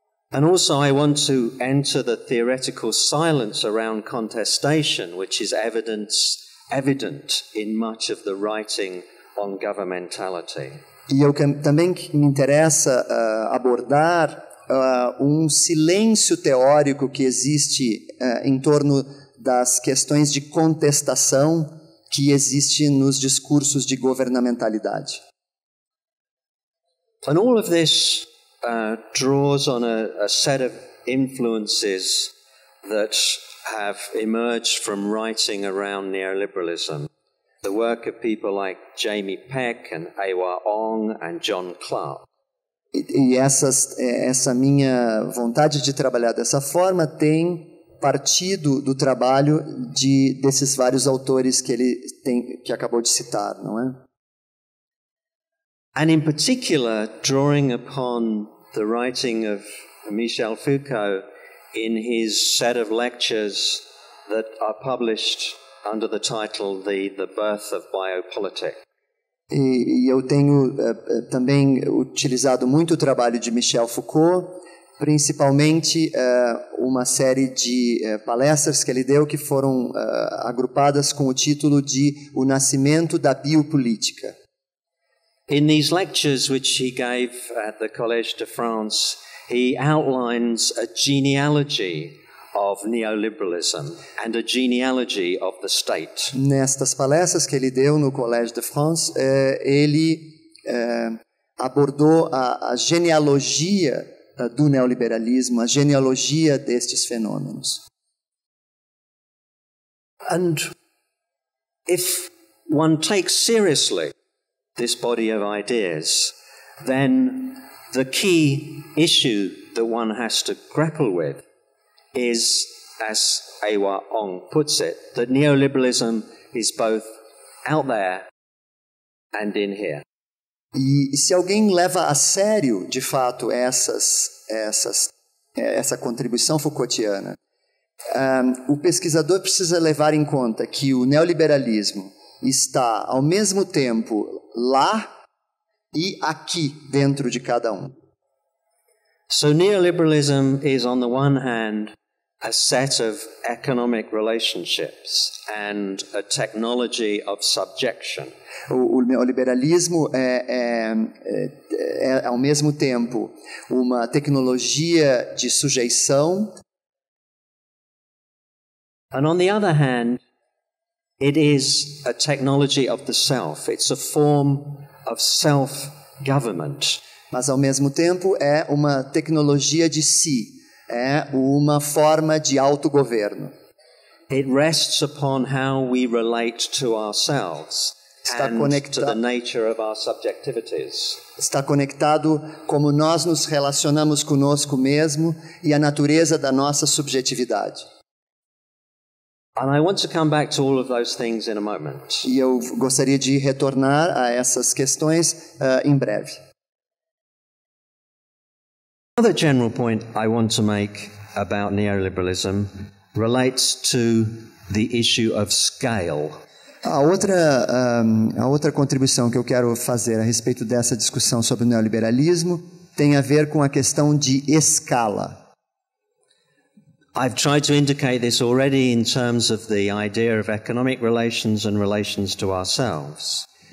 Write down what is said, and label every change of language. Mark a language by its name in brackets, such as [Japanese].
[English] And also I want to enter the theoretical silence around contestation, which is evident in much of the writing on governmentality. [Portuguese] E eu também me interessa abordar um silêncio teórico que existe em torno das questões de contestação que existe nos discursos de governamentalidade. [English] And all of this draws on a set of influences that have emerged from writing around neoliberalism. The work of people like Jamie Peck and Ewa Ong and John Clark. [Portuguese] Essa minha vontade de trabalhar dessa forma tem partido do trabalho desses vários autores que acabou de citar, não é? [English] And in particular, drawing upon the writing of Michel Foucault in his set of lectures that are published under the title The Birth of Biopolitics. [Portuguese] E eu tenho também utilizado muito o trabalho de Michel Foucault, principalmente uma série de palestras que ele deu que foram agrupadas com o título de O Nascimento da Biopolítica. [English] In these lectures which he gave at the Collège de France, he outlines a genealogy of neoliberalism and a genealogy of the state. [Portuguese] Nestas palestras que ele deu no Collège de France, ele abordou a genealogia do neoliberalismo, a genealogia destes fenômenos. [English] And if one takes seriously this body of ideas, then the key issue that one has to grapple with is, as Ewa Ong puts it, that neoliberalism is both out there and in here. [Portuguese] E se alguém leva a sério, de fato, essa contribuição foucaultiana, o pesquisador precisa levar em conta que o neoliberalismo está, ao mesmo tempo, lá e aqui, dentro de cada um. [English] So neoliberalism is, on the one hand, a set of economic relationships and a technology of subjection. [Portuguese] O neoliberalismo é ao mesmo tempo uma tecnologia de sujeição. [English] And on the other hand, it is a technology of the self. It's a form of self-government. [Portuguese] Mas ao mesmo tempo é uma tecnologia de si. É uma forma de autogoverno. [English] It rests upon how we relate to ourselves to the nature of our subjectivities. [Portuguese] Está conectado como nós nos relacionamos conosco mesmo e a natureza da nossa subjetividade. [English] And I want to come back to all of those things in a moment. [Portuguese] E eu gostaria de retornar a essas questões em breve. [English] Another general point I want to make about neoliberalism relates to the issue of scale. [Portuguese] A outra contribuição que eu quero fazer a respeito dessa discussão sobre o neoliberalismo tem a ver com a questão de escala. [English] I've tried to indicate this already in terms of the idea of economic relations and relations to ourselves.